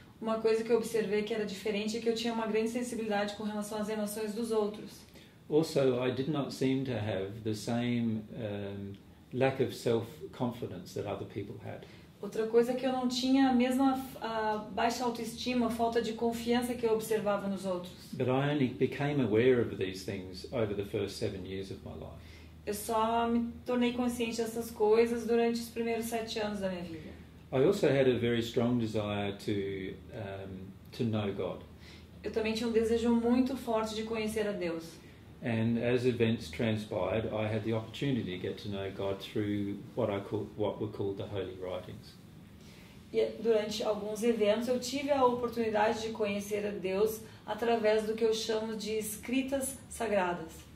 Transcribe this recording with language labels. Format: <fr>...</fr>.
<pt>Uma coisa que eu observei que era diferente é que eu tinha uma grande sensibilidade com relação às emoções dos outros.</pt> <en>Also, I did not seem to have the same lack of self-confidence that other people had.</en> <pt>Outra coisa é que eu não tinha a mesma baixa autoestima, falta de confiança que eu observava nos outros.</pt> <en>But I only became aware of these things over the first 7 years of my life.</en> <pt>Eu só me tornei consciente dessas coisas durante os primeiros 7 anos da minha vida.</pt> <en>I also had a very strong desire to know God.</en> <pt>Eu também tinha um desejo muito forte de conhecer a Deus.</pt> <en>And as events transpired, I had the opportunity to get to know God through what were called the Holy Writings.</en> <pt>E durante alguns eventos eu tive a oportunidade de conhecer a Deus através do que eu chamo de escritas sagradas.</pt>